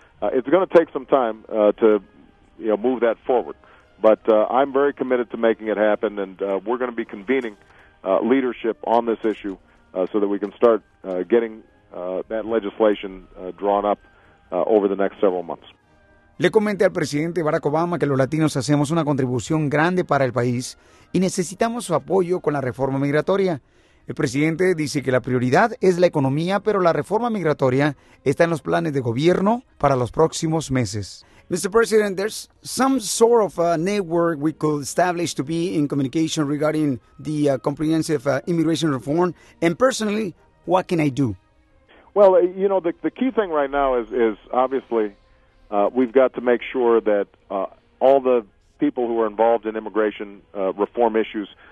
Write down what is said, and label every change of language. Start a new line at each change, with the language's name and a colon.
English: It's going to take some time to move that forward. But I'm very committed to making it happen, and we're going to be convening leadership on this issue so that we can start getting that legislation drawn up over the next several months.
Spanish: Le comenté al presidente Barack Obama que los latinos hacemos una contribución grande para el país y necesitamos su apoyo con la reforma migratoria. El presidente dice que la prioridad es la economía, pero la reforma migratoria está en los planes de gobierno para los próximos meses.
English: Mr. President, there's some sort of a network we could establish to be in communication regarding the comprehensive immigration reform. And personally, what can I do? Well, you know, the key thing right now is obviously we've got to make sure that all the people who are involved in immigration reform issues